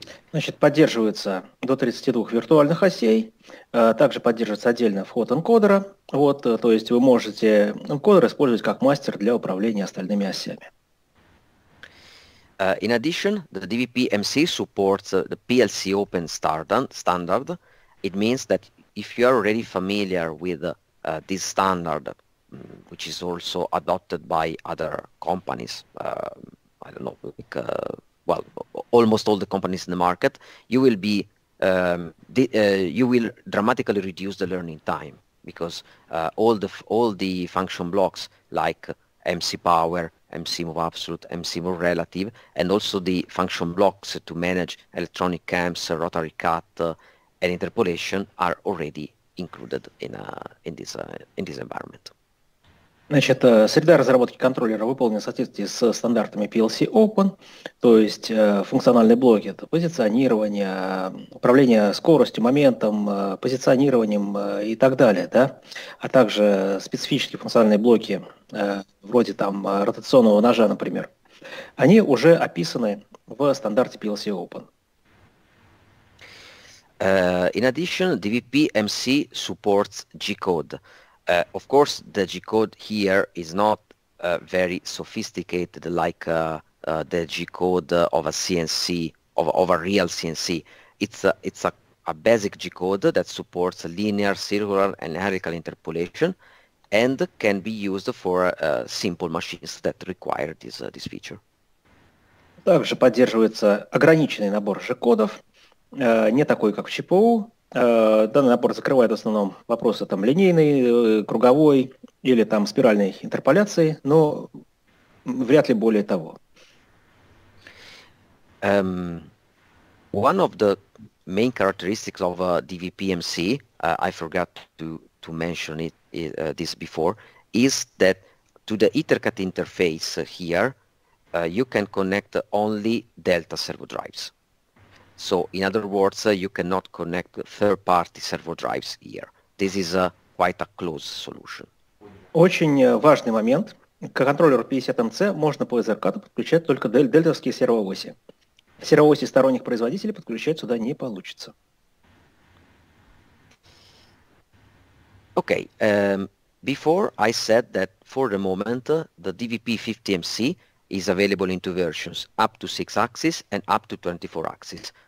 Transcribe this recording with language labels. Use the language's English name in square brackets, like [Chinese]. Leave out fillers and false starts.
[Russian] Значит, поддерживается до 32 виртуальных осей, также поддерживается отдельно вход энкодера, вот, то есть вы можете энкодер использовать как мастер для управления остальными осями. [English] In addition, the DVP-MC supports the PLC open standard. It means that if you are already familiar with this standard, which is also adopted by other companies, I don't know, like, well, almost all the companies in the market, you will be you will dramatically reduce the learning time, because all the function blocks like MC power, MC move absolute, MC move relative, and also the function blocks to manage electronic cams, rotary cut, and interpolation are already included in this environment. [Russian] Значит, среда разработки контроллера выполнена в соответствии с стандартами PLC Open, то есть функциональные блоки – это позиционирование, управление скоростью, моментом, позиционированием и так далее, да? А также специфические функциональные блоки, вроде там ротационного ножа, например, они уже описаны в стандарте PLC Open. [English] In addition, DVP-MC supports G-code. Of course, the G-code here is not very sophisticated like the G-code of a CNC, of a real CNC. It's a basic G-code that supports linear, circular, and helical interpolation and can be used for simple machines that require this feature. [Russian] Также поддерживается ограниченный набор G-кодов, не такой, как в ЧПУ. Данный набор закрывает в основном вопросы там линейной, круговой или там спиральной интерполяции, но вряд ли более того. [English] One of the main characteristics of DVP-MC, I forgot to mention it this before, is that to the EtherCAT interface here, you can connect only Delta servo drives. So, in other words, you cannot connect third-party servo drives here. This is quite a closed solution. [Russian] Очень важный момент. К контроллеру 50MC можно по EtherCAT подключать только дельтовские сервоуси. Сервоуси сторонних производителей подключать сюда не получится. [English] Okay. Before I said that for the moment the DVP-50MC is available in two versions, up to 6 axes and up to 24 axes.